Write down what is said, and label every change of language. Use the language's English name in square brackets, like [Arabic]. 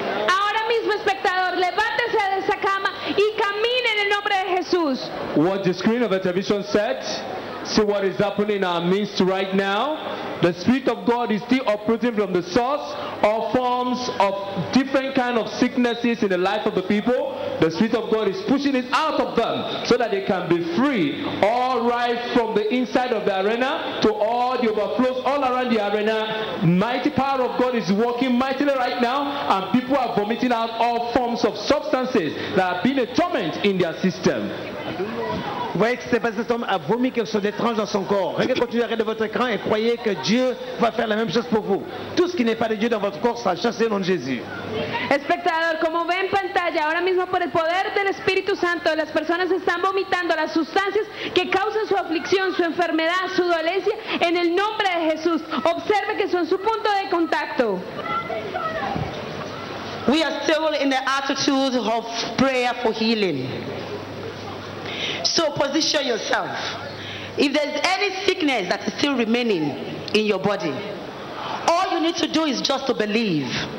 [Spanish] Ahora mismo, espectador, levántese de esa cama y camine en el nombre de Jesús. [English] What the screen of the television said. See what is happening in our midst right now. The Spirit of God is still operating from the source of forms of different kind of sicknesses in the life of the people. The Spirit of God is pushing it out of them so that they can be free. All right from the inside of the arena to all the overflows all around the arena. Mighty power of God is working mightily right now, and people are vomiting out all forms of substances that have been a torment in their system. [French] Vous voyez ce qui s'est passé, cet homme a vomi quelque chose d'étrange dans son corps. Regardez, continuez de votre écran et croyez que Dieu va faire la même chose pour vous. Tout ce qui n'est pas de Dieu dans votre corps sera chassé au nom de Jésus. [Spanish] Espectador, como ve en pantalla, ahora mismo por el poder del Espíritu Santo, las personas están vomitando las sustancias que causan su aflicción, su enfermedad, su dolencia, en el nombre de Jesús. Observe que son su punto de contacto. [English] We are still in the attitude of prayer for healing. So position yourself. If there's any sickness that is still remaining in your body, all you need to do is just to believe.